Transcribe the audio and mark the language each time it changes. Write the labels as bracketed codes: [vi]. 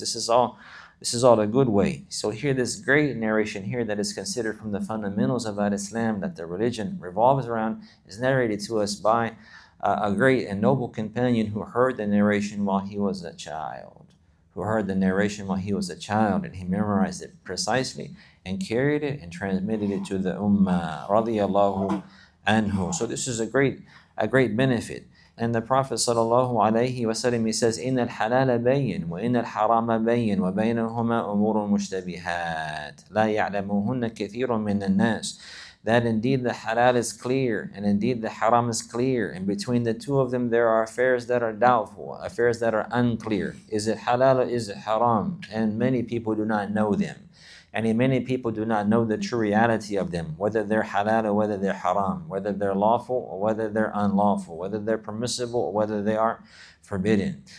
[en] This is all a good way. So here, this great narration here that is considered from the fundamentals of Islam that the religion revolves around is narrated to us by a great and noble companion who heard the narration while he was a child. And he memorized it precisely and carried it and transmitted it to the Ummah, radiyallahu anhu. So this is a great benefit. And the Prophet sallallahu alayhi wa sallam, he says, [ar] إِنَّ الْحَلَالَ بَيِّنْ وَإِنَّ الْحَرَامَ بَيِّنْ وَبَيْنَهُمَا أُمُورٌ مُشْتَبِهَاتٌ لَا يَعْلَمُهُنَّ كَثِيرٌ مِّنَ النَّاسِ. [en] That indeed the halal is clear, and indeed the haram is clear. And between the two of them there are affairs that are doubtful, affairs that are unclear. Is it halal or is it haram? And many people do not know them. And many people do not know the true reality of them, whether they're halal or whether they're haram, whether they're lawful or whether they're unlawful, whether they're permissible or whether they are forbidden.